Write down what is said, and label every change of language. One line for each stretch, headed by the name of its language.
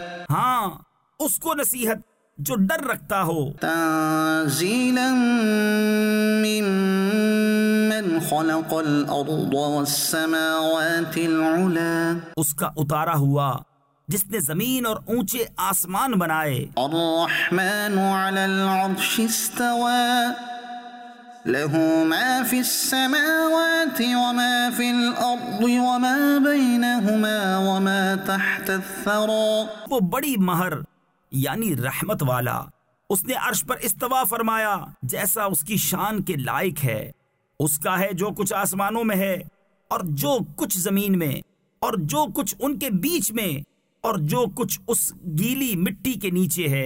Urdu: ہاں اس کو نصیحت جو ڈر رکھتا ہو
Arabic: تنزیلا ممن خلق الارض والسماوات العلا
Urdu: اس کا اتارا ہوا جس نے زمین اور اونچے آسمان بنائے
Arabic: الرحمن على العرش استوى له ما في السماوات وما في الارض وما بينهما وما تحت الثرى
Urdu: وہ بڑی مہر یعنی رحمت والا اس نے عرش پر استوا فرمایا جیسا اس کی شان کے لائق ہے اس کا ہے جو کچھ آسمانوں میں ہے اور جو کچھ زمین میں اور جو کچھ ان کے بیچ میں اور جو کچھ اس گیلی مٹی کے نیچے ہے